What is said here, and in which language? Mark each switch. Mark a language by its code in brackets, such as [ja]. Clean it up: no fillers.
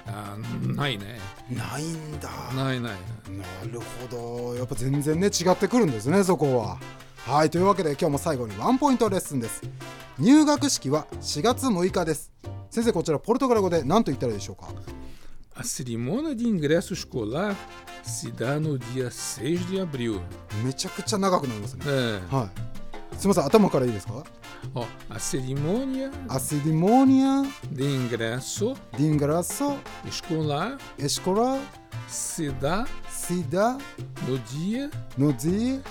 [ja] あ、ないね。ないんだ。ないない。なるほど、やっぱ全然ね違ってくるんですね、そこは。はい、というわけで今日も最後にワンポイントレッスンです。入学式は4月6日です。先生こちらポルトガル語で何と言ったらいいでしょうか。 [pt] A cerimônia de ingresso escolar se dá no dia 6 de abril. [ja] めちゃくちゃ長くなりますね。ええ、はい。すみません、頭からいいですか。 [pt] A cerimônia. A cerimônia de ingresso. De ingresso. Escolar. Escolar. Se dá. Se dá. No dia. No dia.